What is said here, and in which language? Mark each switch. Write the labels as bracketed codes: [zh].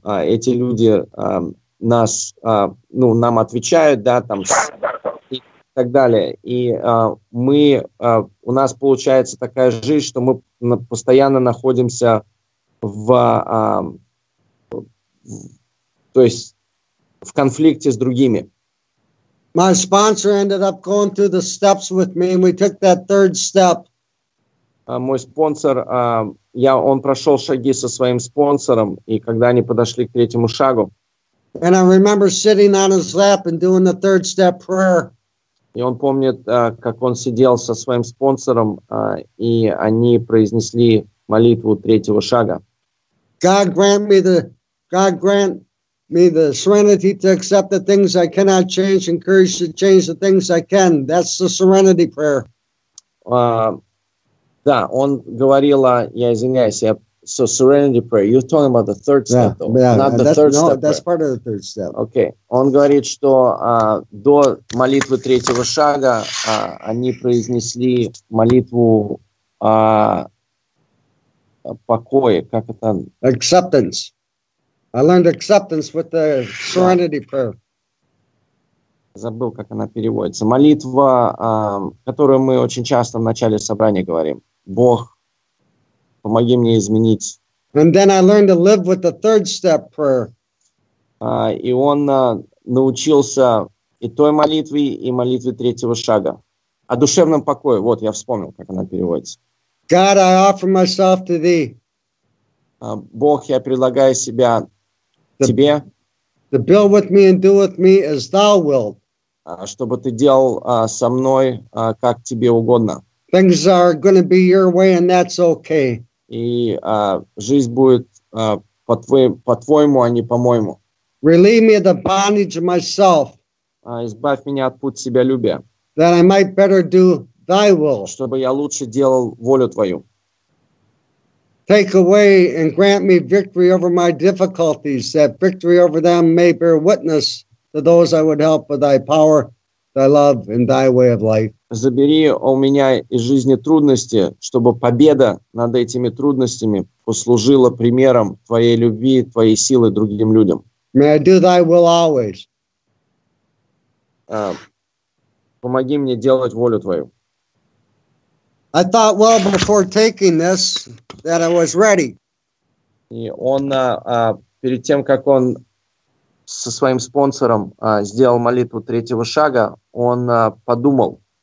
[ru] Эти люди нас, ну, нам отвечают, да, там, и так далее. И у нас получается такая жизнь, что мы постоянно находимся в конфликте с другими. [en] My sponsor ended up going through the steps with me, and we took that third step. [ru] Мой спонсор, он прошел шаги со своим спонсором, и когда они подошли к третьему шагу, [en] and I remember sitting on his lap and doing the third step prayer. [ru] И он помнит, как он сидел со своим спонсором, и они произнесли молитву третьего шага. [en] God grant me the serenity to accept the things I cannot change and courage to change the things I can. That's the serenity prayer. [ru] Да, он говорил, я извиняюсь, я... [en] So serenity prayer, you're talking about the third step, yeah, though, yeah, not the third step. No, that's part of the third step. Okay. [ru] Он говорит, что до молитвы третьего шага они произнесли молитву покоя. Как это? [en] Acceptance. I learned acceptance with the serenity prayer. [ru] Забыл, как она переводится. Молитва, которую мы очень часто в начале собрания говорим. Бог, помоги мне изменить. [en] And then I learned to live with the third step prayer. [ru] И он научился и той молитве, и молитве третьего шага. О душевном покое. Вот, я вспомнил, как она переводится. [en] God, I offer myself to thee. [ru] Бог, я предлагаю себя тебе. [en] To build with me and do with me as thou wilt. [ru] Чтобы ты делал со мной, как тебе угодно. [en] Things are going to be your way, and that's okay. [ru] И жизнь будет по-твоему, а не по-моему. [en] Relieve me of the bondage of myself. [ru] Избавь меня от пути себялюбия. [en] That I might better do thy will. [ru] Чтобы я лучше делал волю твою. [en] Take away and grant me victory over my difficulties, that victory over them may bear witness to those I would help with thy power, thy love, and thy way of life. [ru] Забери у меня из жизни трудности, чтобы победа над этими трудностями послужила примером твоей любви, твоей силы другим людям. [en] May I do thy will always. [ru] Помоги мне делать волю твою. [en] I thought well before taking this that I was ready. [ru] И он, перед тем, как он со своим спонсором сделал молитву третьего шага, он подумал.